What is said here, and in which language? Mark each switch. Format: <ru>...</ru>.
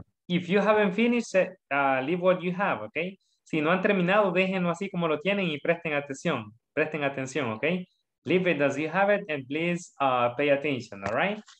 <en>If you haven't finished, leave what you have, okay?</en> <es>Si no han terminado, déjenlo así como lo tienen y presten atención. Presten atención, okay?</es> <en>Leave it as you have it and please pay attention, all right?</en>